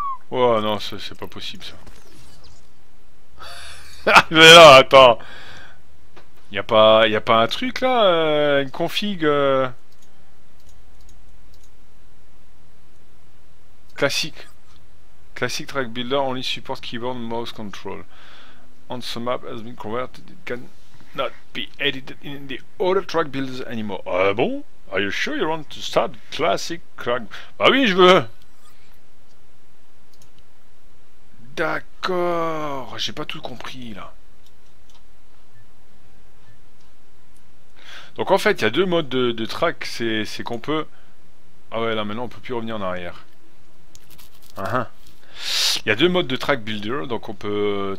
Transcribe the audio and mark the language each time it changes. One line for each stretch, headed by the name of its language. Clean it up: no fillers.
French: Oh non, c'est pas possible ça. Mais non, attends. Y a pas un truc là, une config classique.
English: Classic track builder only support keyboard mouse control. On some map has been converted, it can not be edited in the other track builders anymore.
French: Ah bon?
English: Are you sure you want to start classic track?
French: Bah oui, je veux. D'accord, j'ai pas tout compris là. Donc en fait, il y a deux modes de track, c'est qu'on peut... Ah ouais, là maintenant on peut plus revenir en arrière. Il y a deux modes de track builder, donc on peut...